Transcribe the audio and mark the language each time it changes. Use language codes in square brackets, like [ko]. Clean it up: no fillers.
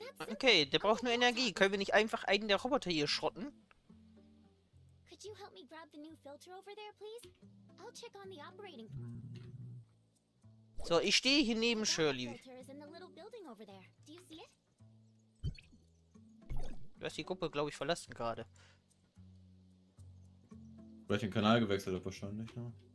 [de] Okay, der braucht nur Energie. Können wir nicht einfach einen der Roboter hier schrotten? [en] Could you help me grab the new filter over there, please? I'll check on the operating. [de] So, ich stehe hier neben Shirley. Du hast die Gruppe, glaube ich, verlassen gerade. Weil ich den Kanal gewechselt habe, wahrscheinlich, ne?